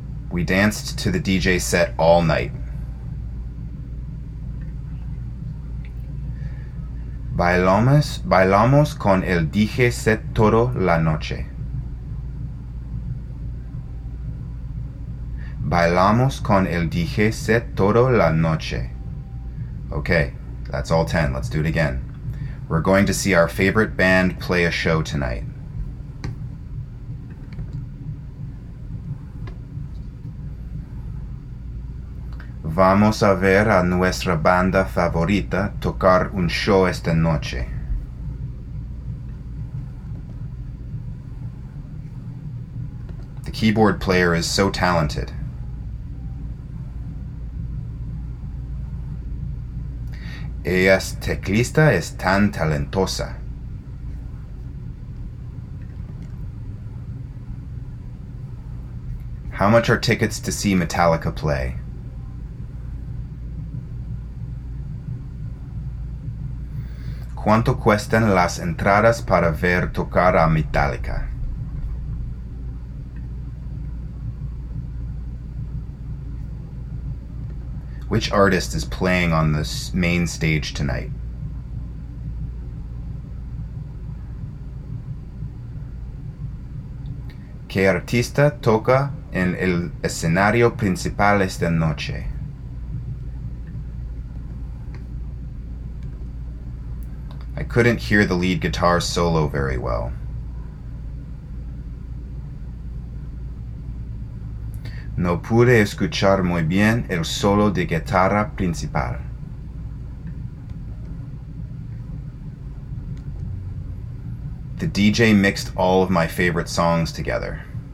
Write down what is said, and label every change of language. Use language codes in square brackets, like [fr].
[en] We danced to the DJ set all night. [es] Bailamos con el DJ set toda la noche. Bailamos con el DJ set toda la noche. [en] Okay, that's all 10. Let's do it again. We're going to see our favorite band play a show tonight. [es] Vamos a ver a nuestra banda favorita tocar un show esta noche. [en] The keyboard player is so talented. [es] Ella teclista es tan talentosa. [en] How much are tickets to see Metallica play? [es] ¿Cuánto cuestan las entradas para ver tocar a Metallica? [en] Which artist is playing on the main stage tonight? [es] ¿Qué artista toca en el escenario principal esta noche? [en] I couldn't hear the lead guitar solo very well. [es] No pude escuchar muy bien el solo de guitarra principal. [en] The DJ mixed all of my favorite songs together.